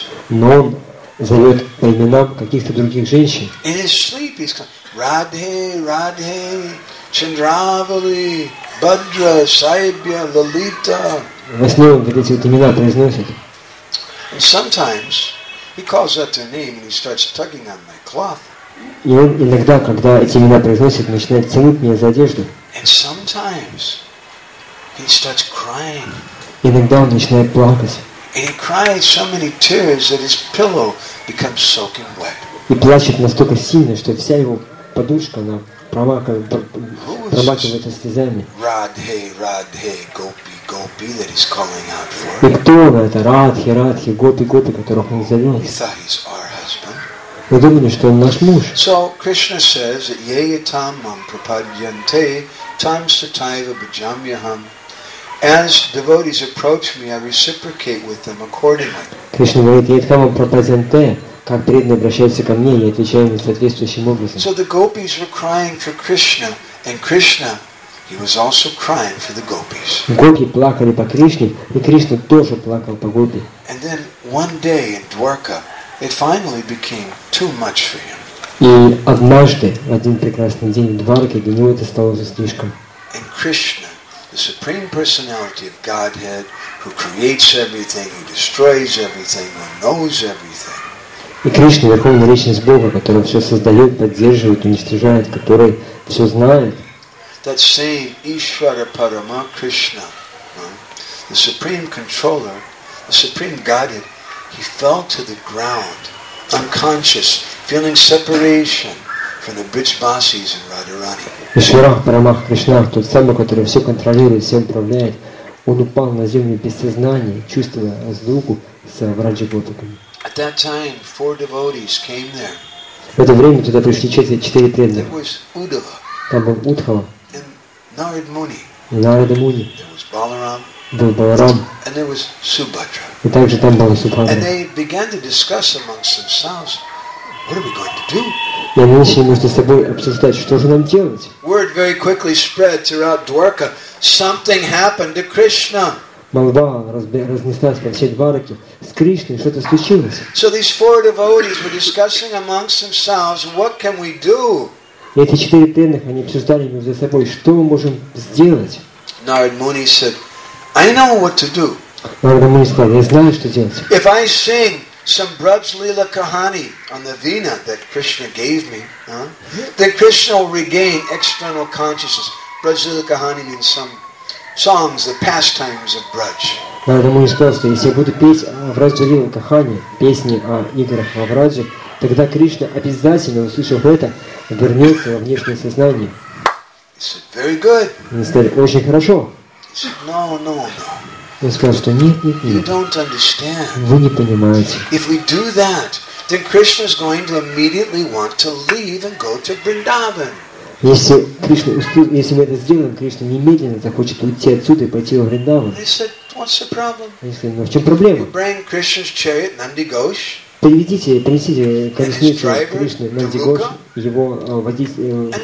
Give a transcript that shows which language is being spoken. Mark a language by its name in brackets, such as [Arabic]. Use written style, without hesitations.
[Russian] Но он зовет по именам каких-то других женщин. [English] In his sleep he's calling, Radhe, Radhe, Chandravali, Bhadra, Saibhya, Lalita. [Russian] Во сне он вот эти вот имена произносит. [English] And sometimes he calls out their name and he starts tugging on my cloth. [Russian] И он иногда, когда эти имена произносит, начинает тянуть меня за одежду. [English] And sometimes he starts crying. [Russian] Иногда он начинает плакать. [English] And he cries so many tears that his pillow becomes soaking wet. [Russian] И плачет настолько сильно, что вся его подушка она промакивается слезами. [English] Radhe, Radhe, Gopi, Gopi, that he's calling out for. [Russian] И кто он это? Радхи, Радхи, Гопи, Гопи, которых он зовет. [English] He thought he's our husband. [Russian] Мы думали, что он наш муж. [English] So Krishna says that [Sanskrit] yayatam mam prapadyante tam sataiva bhajamyaham. [English] As devotees approach me, I reciprocate with them accordingly. [Russian] Кришна говорит, [Sanskrit] yayatam mam prapadyante [Russian] как преданные обращаются ко мне, я отвечаю им соответствующим образом. [English] So the gopis were crying for Krishna, and Krishna, he was also crying for the gopis. [Russian] Гопи плакали по Кришне, и Кришна тоже плакал по гопи. [English] And then one day in Dwarka, it finally became too much for him. [Russian] И однажды, в один прекрасный день в Дварке, для него это стало уже слишком. [English] And Krishna, the supreme personality of Godhead, who creates everything, who destroys everything, who knows everything. [Russian] И Кришна, верховная личность Бога, которая все создает, поддерживает, уничтожает, который все знает. [English] That same Ishvara Parama Krishna, the supreme controller, the supreme Godhead, he fell to the ground, unconscious, feeling separation from the Brijbasis and Radharani. [Russian] Ishvara Parama Krishna, тот самый, который все контролирует, все управляет, он упал на землю без сознания, чувствуя разлуку с Враджа-гопиками. [English] At that time, four devotees came there. [Russian] В это время туда пришли четыре преданных. [English] There was Uddhava. [Russian] Там был Удхава. [English] And Narad Muni. [Russian] И Нарада Муни. [English] There was Balaram. [Russian] Был Баларам. [English] And there was Subhadra. [Russian] И также там была Субхадра. [English] And they began to discuss amongst themselves, what are we going to do? [Russian] И они начали между собой обсуждать, что же нам делать. [English] Word very quickly spread throughout Dwarka. Something happened to Krishna. [Russian] Молва разнеслась по всей Двараке. С Кришной что-то случилось. [English] So these four devotees were discussing amongst themselves, what can we do? [Russian] И эти четыре преданных, они обсуждали между собой, что мы можем сделать. [English] Narad Muni said, I know what to do. [Russian] Narad Muni сказал, я знаю, что делать. [English] If I sing some Braj Lila Kahani on the Veena that Krishna gave me, then Krishna will regain external consciousness. Braj Lila Kahani means some songs, the pastimes of Braj. [Russian] Narad Muni сказал, что если я буду петь о Враджа Лила Кахане, песни о играх во Враджа, тогда Кришна обязательно, услышав это, вернется во внешнее сознание. [English] He said, very good. [Russian] Они сказали, очень хорошо. [English] He said, no, no, no. [Russian] Он сказал, что нет, нет, нет. [English] You don't understand. [Russian] Вы не понимаете. [English] If we do that, then Krishna is going to immediately want to leave and go to Vrindavan. [Russian] Если Кришна, если мы это сделаем, Кришна немедленно захочет уйти отсюда и пойти во Вриндаван. Они сказали, ну в чем проблема? Приведите, принесите колесницу Кришны Нандигош, его